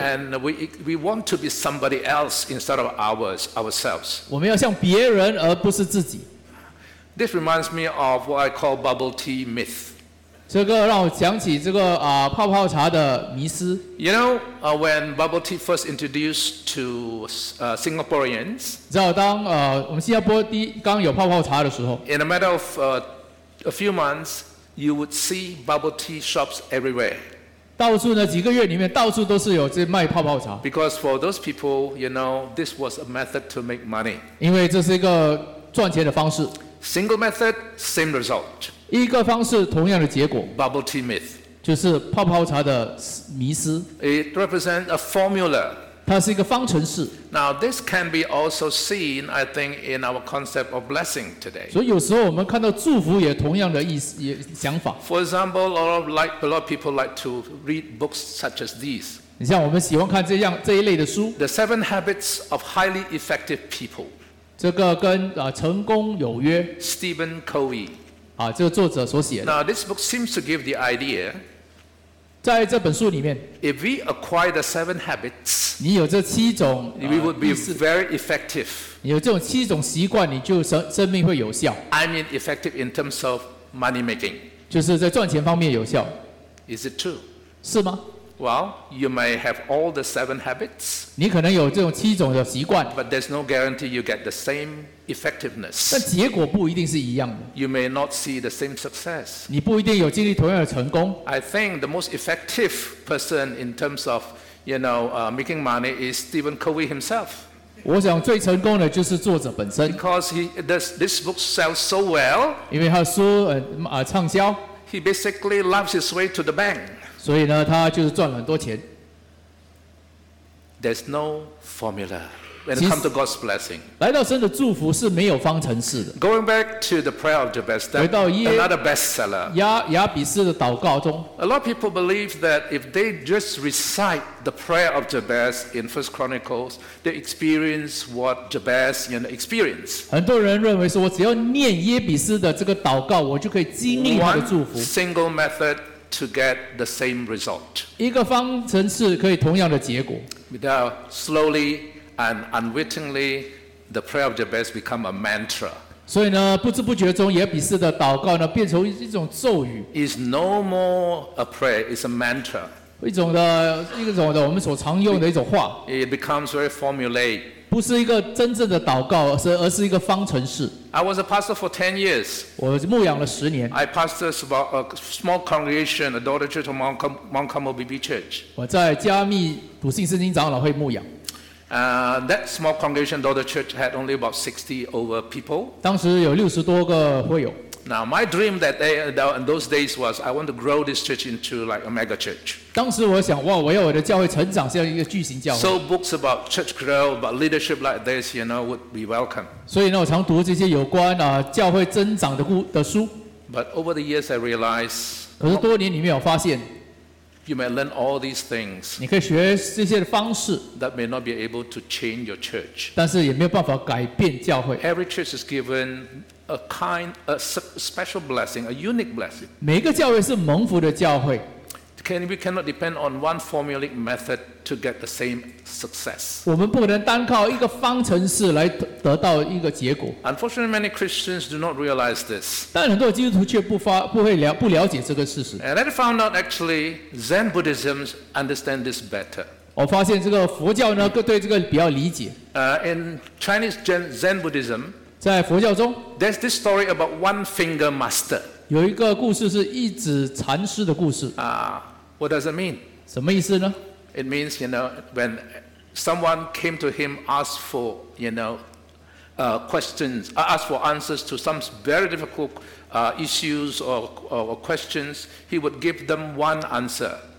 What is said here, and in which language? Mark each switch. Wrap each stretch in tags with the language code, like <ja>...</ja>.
<en>And we want to be somebody else instead of ourselves.</en> <zh>我们要像别人而不是自己。</zh> <en>This reminds me of what I call bubble tea myth.</en> <zh>这个让我想起这个, 泡泡茶的迷思。</zh> <en>You know, when bubble tea first introduced to Singaporeans,</en> <zh>你知道当, 我们新加坡第一刚有泡泡茶的时候,</zh> <en>in a matter of a few months, you would see bubble tea shops everywhere.</en> <zh>到处呢，几个月里面到处都是有这卖泡泡茶。</zh> <en>Because for those people, you know, this was a method to make money.</en> <zh>因为这是一个赚钱的方式。</zh> <en>Single method, same result.</en> <zh>一个方式同样的结果。</zh> <en>Bubble tea myth.</en> <zh>就是泡泡茶的迷思。</zh> <en>It represents a formula.</en> <zh>它是一个方程式。</zh> <en>Now this can be also seen, I think, in our concept of blessing today.</en> <zh>所以有时候我们看到祝福也同样的意思，也想法。</zh> <en>For example, a lot of people like to read books such as these.</en> <zh>你像我们喜欢看这样这一类的书。</zh> <en>The Seven Habits of Highly Effective People.</en> <zh>这个跟成功有约。</zh> <en>Stephen Covey.</en> <zh>这个作者所写的。</zh> <en>Now this book seems to give the idea.</en> <zh>在这本书里面,</zh> <en>if we acquire the seven habits,</en> <zh>你有这七种,</zh> <en>we would be very effective.</en> <zh>你有这种七种习惯, 你就生命会有效。</zh> <en>I mean effective in terms of money making.</en> <zh>就是在赚钱方面有效。</zh> <en>Is it true?</en> <zh>是吗?</zh> <en>Well, you may have all the seven habits,</en> <zh>你可能有这种七种的习惯,</zh> <en>but there's no guarantee you get the same effectiveness.</en> <zh>但结果不一定是一样的。</zh> <en>You may not see the same success.</en> <zh>你不一定有经历同样的成功。</zh> <en>I think the most effective person in terms of, you know, making money is Stephen Covey himself.</en> <zh>我想最成功的就是作者本身。</zh> <en>Because this book sells so well,</en> <zh>因为他的书, 畅销,</zh> <en>he basically loves his way to the bank.</en> <zh>所以呢，他就是赚了很多钱。</zh> <en>There's no formula when it comes to God's blessing.</en> <zh>来到神的祝福是没有方程式的。</zh> <en>Going back to the prayer of Jabez, another bestseller.</en> <zh>亚比斯的祷告中,</zh> <en>a lot of people believe that if they just recite the prayer of Jabez in 1 Chronicles, they experience what Jabez, you know, experienced.</en> <zh>很多人认为说，我只要念耶比斯的这个祷告，我就可以经历他的祝福。</zh> <en>One single method to get the same result.</en> <zh>一个方程式可以同样的结果。</zh> <en>Without slowly and unwittingly, the prayer of Jabez become a mantra.</en> <zh>所以呢，不知不觉中，耶比斯的祷告呢，变成一种咒语。</zh> <en>It's no more a prayer, it's a mantra.</en> <zh>一种的，我们所常用的一种话。</zh> <en>It becomes very formulaic.</en> <zh>不是一个真正的祷告，而是一个方程式。</zh> <en>I was a pastor for 10 years.</en> <zh>我牧养了10年。</zh> <en>I pastored about a small congregation, a daughter church of Mount Carmel BB Church.</en> <zh>我在加密笃信圣经长老会牧养。</zh> <en>That small congregation, daughter church, had only about 60 over people.</en> <zh>当时有60多个会友。</zh> <en>Now, my dream that day, in those days was I want to grow this church into like a mega church.</en> <zh>当时我想，哇，我要我的教会成长，是要一个巨型教会。</zh> <en>So books about church growth, about leadership like this, you know, would be welcome.</en> <zh>所以呢，我常读这些有关教会增长的书。</zh> <en>But over the years, I realized.</en> <zh>可是多年里面，我发现。</zh> <en>You may learn all these things.</en> <zh>你可以学这些的方式。</zh> <en>That may not be able to change your church.</en> <zh>但是也没有办法改变教会。</zh> <en>Every church is given. A kind, a special blessing, a unique blessing.</en> <zh>每一个教会是蒙福的教会。</zh> <en>We cannot depend on one formulaic method to get the same success.</en> <zh>我们不能单靠一个方程式来得到一个结果。</zh> <en>Unfortunately, many Christians do not realize this.</en> <zh>但很多基督徒却不了解这个事实。</zh> <en>And I found out actually, Zen Buddhism understands this better.</en> <zh>我发现这个佛教呢，对这个比较理解。</zh> <en>In Chinese Zen Buddhism.</en> <zh>在佛教中,</zh> <en>There's this story about one finger master.</en> <zh>有一个故事是一指禅师的故事。</zh> <en>What does it mean?</en> <zh>什么意思呢?</zh> <en>It means, you know, when someone came to him, asked for, you know, questions, asked for answers to some very difficult issues or questions, he would give them one answer.</en>